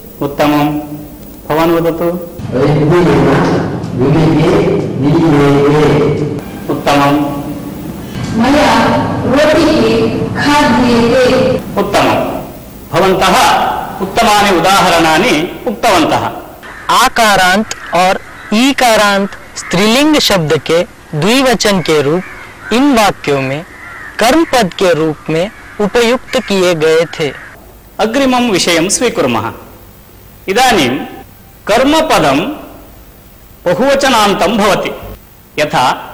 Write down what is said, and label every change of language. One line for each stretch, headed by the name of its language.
Sanskrit: उत्तमम्। भवान् वदतु। वैद्येन विविधे निर्येते। उत्तमम्। मया रोटिके खाद्येते। उत्तमम्। भवन्तः उत्तमानि उदाहरणानि उक्तवन्तः।
Hindi: आकारांत और ईकारांत स्त्रीलिंग शब्द के द्विवचन के रूप इन वाक्यों में कर्म पद के रूप में उपयुक्त किए गए थे।
Sanskrit: अग्रिमं विषयं स्वीकुर्मः। इदानीं कर्मपदं बहुवचनान्तं भवति, यथा